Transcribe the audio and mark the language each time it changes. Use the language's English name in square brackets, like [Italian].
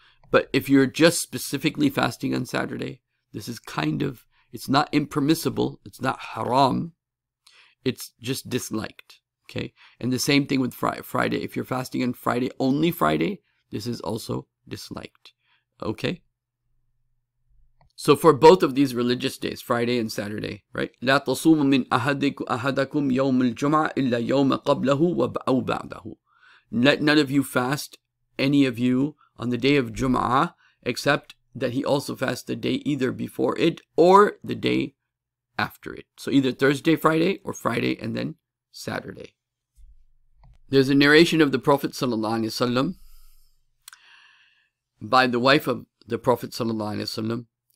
[English] But if you're just specifically fasting on Saturday, this is kind of, it's not impermissible, it's not haram, it's just disliked, okay? And the same thing with Friday. If you're fasting on Friday, only Friday, this is also disliked, okay? So for both of these religious days, Friday and Saturday, right? [Arabic] لا تصوم من أحدكم يوم الجمعة إلا يوم قبله أو بعده. [English] Let none of you fast, any of you, on the day of Jum'ah, except that he also fasts the day either before it or the day after it. So either Thursday, Friday, or Friday and then Saturday. There's a narration of the Prophet sallallahu alaihi wasallam by the wife of the Prophet sallallahu alaihi wasallam.